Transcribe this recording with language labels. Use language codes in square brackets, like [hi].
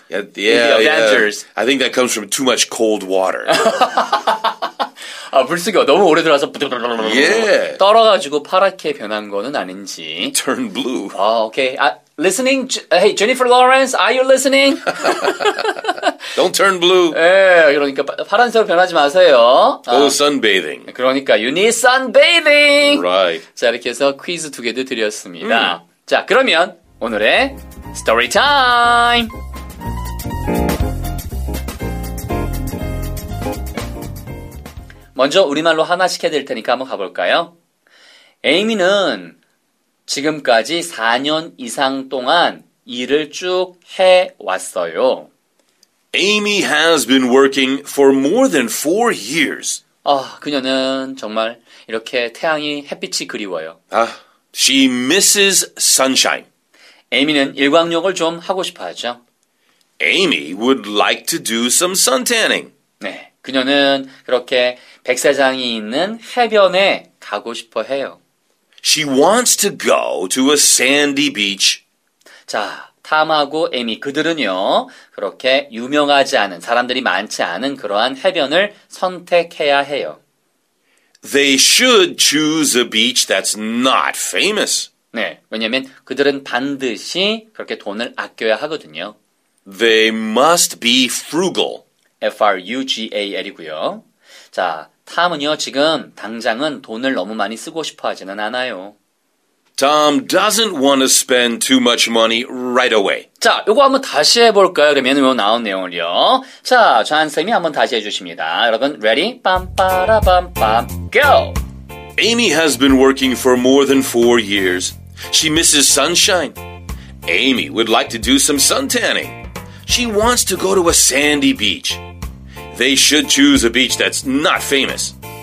[en] I think that comes from too much cold water. [ko] 아, 불쑥이요. 너무 오래 들어와서 떨어가지고 파랗게 변한 거는 아닌지. [en] Turn blue. 아, 오케이. 아, listening? Hey, Jennifer Lawrence, are you listening? Don't turn blue. [ko] 예, 그러니까 파란색으로 변하지 마세요. [en] Oh, sunbathing. [ko] 그러니까 [en] you need sunbathing. Right. [ko] 자, 이렇게 해서 퀴즈 두 개도 드렸습니다. 자, 그러면 오늘의 스토리 타임. 먼저 우리말로 하나씩 해드릴 테니까 한번 가볼까요? 에이미는 지금까지 4년 이상 동안 일을 쭉 해왔어요. [en] Amy has been working for more than 4 years. [ko] 아, 그녀는 정말 이렇게 태양이 햇빛이 그리워요. [en] 아, she misses sunshine. [ko] 에이미는 일광욕을 좀 하고 싶어 하죠. [en] Amy would like to do some suntanning. [ko] 네, 그녀는 그렇게 백사장이 있는 해변에 가고 싶어 해요. [en] She wants to go to a sandy beach. [ko] 자, 탐하고 에미 그들은요, 그렇게 유명하지 않은, 사람들이 많지 않은 그러한 해변을 선택해야 해요. [en] They should choose a beach that's not famous. [ko] 네, 왜냐면 그들은 반드시 그렇게 돈을 아껴야 하거든요. [en] They must be frugal. F-R-U-G-A-L이고요. [ko] 자, 탐은요, 지금 당장은 돈을 너무 많이 쓰고 싶어 하지는 않아요. [en] Tom doesn't want to spend too much money right away. [ko] 자, 요거 한번 다시 해볼까요? 그러면 요 나온 내용을요. 자, 전 쌤이 한번 다시 해주십니다. 여러분, ready? 빰빠라밤밤, go! [en] Amy has been working for more than 4 years. She misses sunshine. Amy would like to do some suntanning. She wants to go to a sandy beach. They should choose a beach that's not famous.